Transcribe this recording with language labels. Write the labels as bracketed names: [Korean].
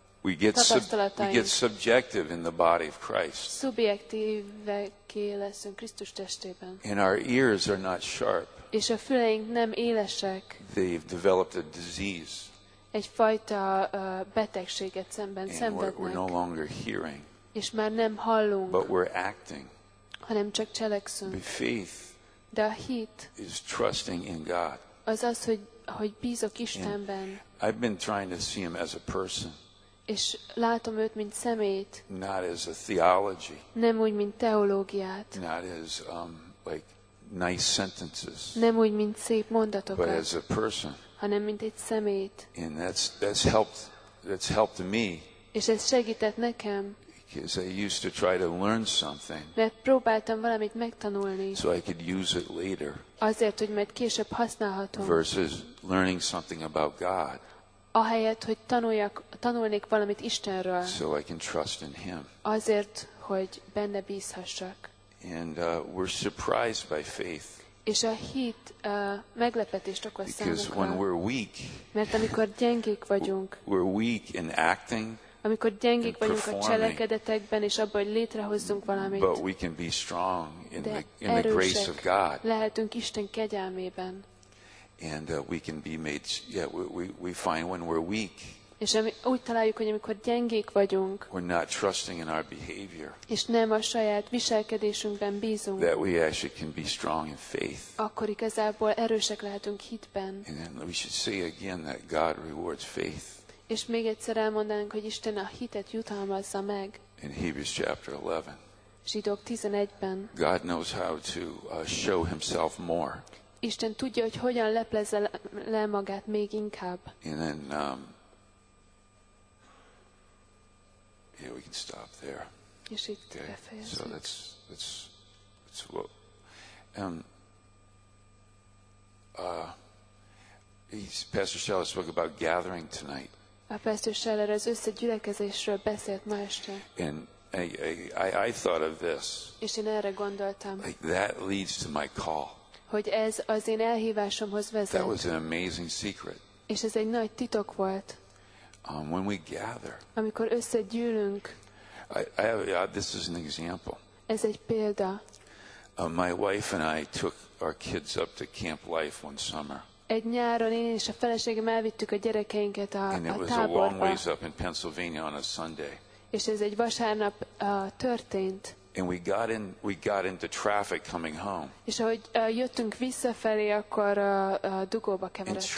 [English] We get subjective in the body of Christ. [Hungarian] Szubjektívekké leszünk Krisztus testében. [English] And our ears are not sharp. [Hungarian] És a füleink nem élesek. [English] They've developed a disease. [Hungarian] Egyfajta betegséget szenvednek. [English] And we're no longer hearing. [Hungarian] És már nem hallunk. [English] But we're acting. [Hungarian] Hanem csak cselekszünk. [English] The faith. [Hungarian] De a hit. [English] Is trusting in God. [Hungarian] Az, hogy bízok Istenben. [English] And I've been trying to see him as a person. [Hungarian] És látom őt, mint szemét. [English] Not as a theology. [Hungarian] Nem úgy, mint teológiát. [English] Not as like nice sentences. [Hungarian] Nem úgy, mint szép mondatokat. [English] But as a person. [Hungarian] Hanem mint egy szemét. [English] And that's helped me. [Hungarian] És ez segített nekem. [English] Because I used to try to learn something. [Hungarian] Mert próbáltam valamit megtanulni. [English] So I could use it later. [Hungarian] Azért, hogy majd később használhatom. [English] Versus learning something about God. [Hungarian] Ahelyett, hogy tanulnék valamit Istenről. [English] So I can trust in him. [Hungarian] Azért, hogy benne bízhassak. [English] And we're surprised by faith. [Hungarian] És a hit meglepetést okoz számunkra. [English] Because when we're weak, [Hungarian] mert amikor gyengék vagyunk, [English] we're weak in acting, [Hungarian] amikor gyengék vagyunk a cselekedetekben, és abban, hogy létrehozzunk valamit, [English] but we can be strong in the grace of God. [Hungarian] Lehetünk Isten kegyelmében. [English] And we can be made. Yeah, we find when we're weak. [Hungarian] És úgy találjuk, hogy amikor gyengék vagyunk. [English] We're not trusting in our behavior. [Hungarian] És nem a saját viselkedésünkben bízunk. [English] That we actually can be strong in faith. [Hungarian] Akkor igazából erősek lehetünk hitben. [English] And then we should say again that God rewards faith. [Hungarian] És még egyszer elmondanánk, hogy Isten a hitet jutalmazza meg. [English] In Hebrews chapter 11. [Hungarian] Zsidók 11-ben. [English] God knows how to show himself more. [Hungarian] Isten tudja, hogy hogyan leplezze le magát még inkább. [English] And then, yeah, we can stop there. [Hungarian] És itt okay. Befejezzük. [English] So that's what. Pastor Shella spoke about gathering tonight. [Hungarian] A pastor Scheller az összegyülekezésről beszélt ma este. [English] And I thought of this. [Hungarian] És én erre gondoltam. [English] Like that leads to my call. [Hungarian] Hogy ez az én elhívásomhoz vezet. [English] That was an amazing secret. [Hungarian] És ez egy nagy titok volt. [English] When we gather. [Hungarian] Amikor összegyűlünk. [English] This is an example. [Hungarian] Ez egy példa. [English] My wife and I took our kids up to Camp Life one summer. [Hungarian] Egy nyáron én és a feleségem elvittük a gyerekeinket a táborba. [English] And it was a long ways up in Pennsylvania on a Sunday. [Hungarian] És ez egy vasárnap történt. [English] And we got into traffic coming home. [Hungarian] És ahogy jöttünk visszafelé, akkor a dugóba keveredtünk.